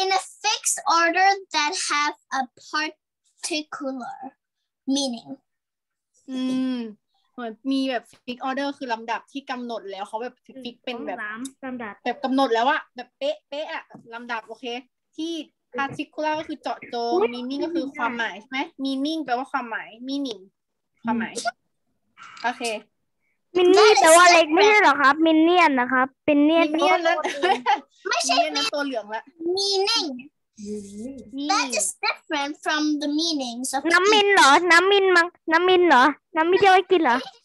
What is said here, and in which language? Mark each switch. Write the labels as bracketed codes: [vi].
[en] In a fixed order that have a particular meaning [th] เหมือนมีแบบ fix order คือลำดับที่กำหนดแล้วเขาแบบ fix เป็นแบบ ลำดับ แบบกำหนดแล้วอะแบบเป๊ะอะลำดับโอเคที่ particular ก็คือเจาะจง meaning ก็คือความหมายใช่ไหม meaning แปลว่าความหมาย meaning ความหมายโอเค มินนี่แต่ว่าเล็กไม่ใช่หรอครับมินเนียนนะครับเป็นเนียน มินเนียนแล้ว ไม่ใช่ เป็นตัวเหลืองละ [en] meaning that is different from the meanings of [th] น้ำมินเหรอน้ำมินมั้งน้ำมินเหรอน้ำมินจะไว้กินเหรอ